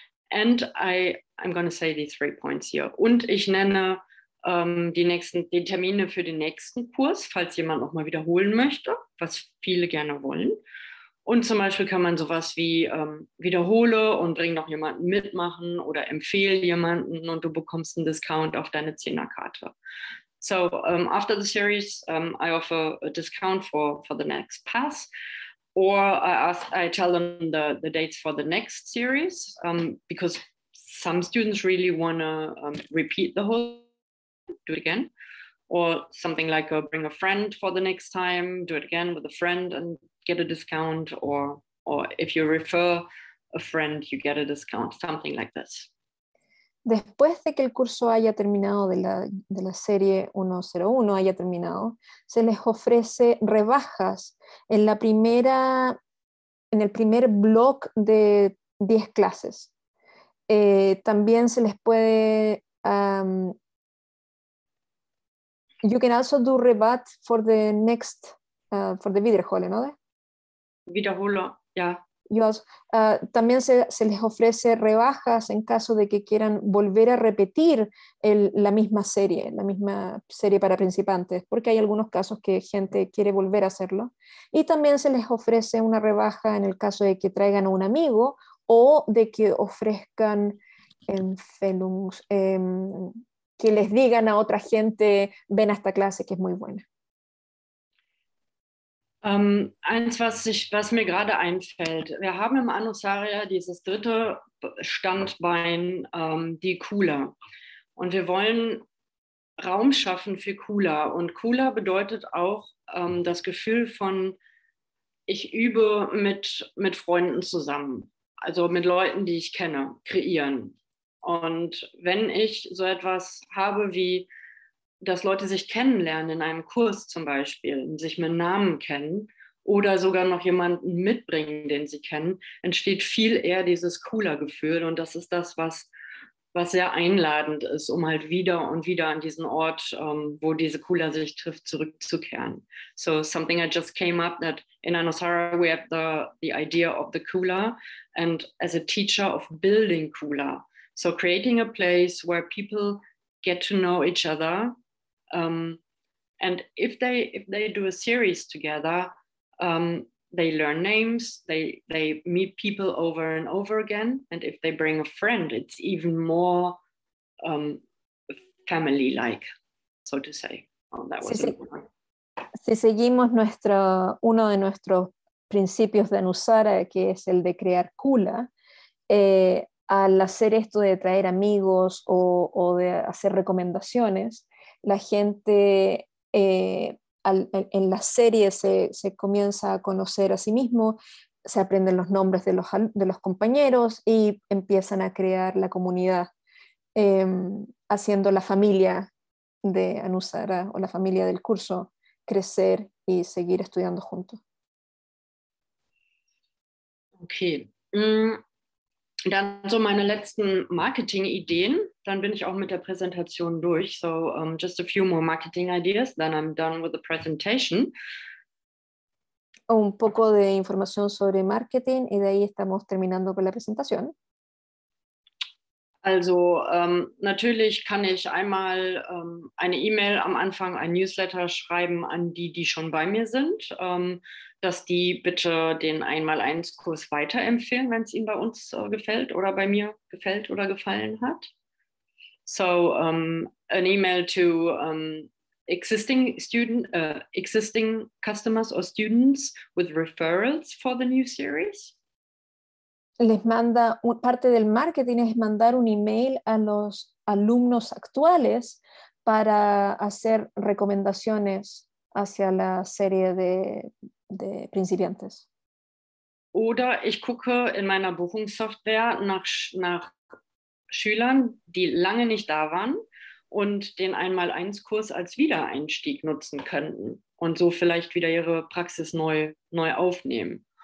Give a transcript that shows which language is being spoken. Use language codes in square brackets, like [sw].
[en] And I'm going to say these 3 points here. [de] Und ich nenne die Termine für den nächsten Kurs, falls jemand noch mal wiederholen möchte, was viele gerne wollen. Und zum Beispiel kann man sowas wie wiederhole und bring noch jemanden mitmachen oder empfehle jemanden und du bekommst einen Discount auf deine 10er-Karte. [en] So, after the series, I offer a discount for the next pass or I tell them the dates for the next series because some students really want to repeat the whole do it again or something like bring a friend for the next time, do it again with a friend and get a discount or if you refer a friend, you get a discount, something like this. [es] Después de que el curso haya terminado de la serie 101, haya terminado, se les ofrece rebajas en la primera en el primer block de 10 clases. También se les puede... [en] you can also do rebat for the next, for the Wiederhole, [es] ¿no? Wiederhole, ya. [en] Yeah. [es] También se les ofrece rebajas en caso de que quieran volver a repetir la misma serie para principiantes, porque hay algunos casos que gente quiere volver a hacerlo. Y también se les ofrece una rebaja en el caso de que traigan a un amigo o de que ofrezcan en Felungs, que les digan a otra gente, ven a esta clase que es muy buena. [de] Eins, was mir gerade einfällt, wir haben im Anusaria dieses dritte Standbein, die Kula. Und wir wollen Raum schaffen für Kula. Und Kula bedeutet auch das Gefühl von, ich übe mit Freunden zusammen, also mit Leuten, die ich kenne, kreieren. Und wenn ich so etwas habe wie, dass Leute sich kennenlernen in einem Kurs zum Beispiel, sich mit Namen kennen oder sogar noch jemanden mitbringen, den sie kennen, entsteht viel eher dieses cooler Gefühl. Und das ist das, was sehr einladend ist, um halt wieder und wieder an diesen Ort, wo diese cooler sich trifft, zurückzukehren. [en] So something I just came up that in Anusara we have the idea of the cooler and as a teacher of building cooler. So creating a place where people get to know each other, and if they do a series together, they learn names, they meet people over and over again, and if they bring a friend, it's even more family-like, so to say. Oh, that was [es] si seguimos uno de nuestros principios de Anusara, que es el de crear kula, al hacer esto de traer amigos o de hacer recomendaciones, la gente en la serie se comienza a conocer a sí mismo, se aprenden los nombres de los compañeros y empiezan a crear la comunidad, haciendo la familia de Anusara o la familia del curso crecer y seguir estudiando juntos. [en] Okay. [de] Dann so meine letzten Marketing-Ideen, dann bin ich auch mit der Präsentation durch. [en] So just a few more Marketing-Ideas, then I'm done with the presentation. [es] Un poco de información sobre Marketing y de ahí estamos terminando con la presentación. [de] Also natürlich kann ich einmal eine E-Mail am Anfang, ein Newsletter schreiben an die schon bei mir sind, dass die bitte den 1x1-Kurs weiterempfehlen, wenn es ihnen bei uns gefällt oder bei mir gefällt oder gefallen hat. [en] So an email to existing customers or students with referrals for the new series. [es] Les manda, parte del marketing es mandar un email a los alumnos actuales para hacer recomendaciones hacia la serie de principiantes. [de] Oder ich gucke in meiner Buchungssoftware nach Schülern, die lange nicht da waren und den 1x1-Kurs als Wiedereinstieg nutzen könnten und so vielleicht wieder ihre Praxis neu aufnehmen.